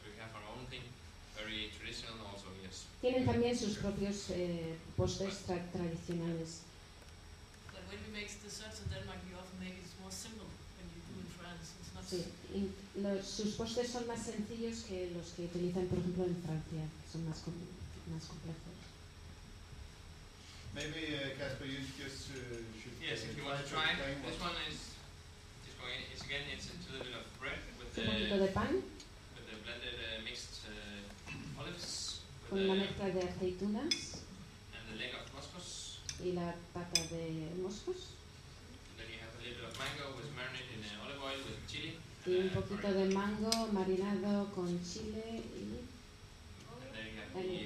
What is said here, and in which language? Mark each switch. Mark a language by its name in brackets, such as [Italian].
[English] We have our own thing, very traditional also, yes. [Spanish] Tienen también sus propios postres tradicionales. [English] But when we make desserts in Denmark, we often make it more simple than you do in France. It's not [Spanish] sí. Sus postres son más sencillos que los que utilizan, por ejemplo, en Francia. Son más complejos. [English] Maybe, Casper, you just should... Yes, if you want to try. This one is... It's again, it's a little bit of bread with the... [Spanish] Un poquito de pan. [English] With the blended mixed olives. [Spanish] Con la mezcla de aceitunas. [English] And the leg of moscos. [Spanish] Y la pata de moscos. [English] And then you have a little bit of mango with marinade in olive oil with chili. [Spanish] Y un poquito de mango marinado con chile y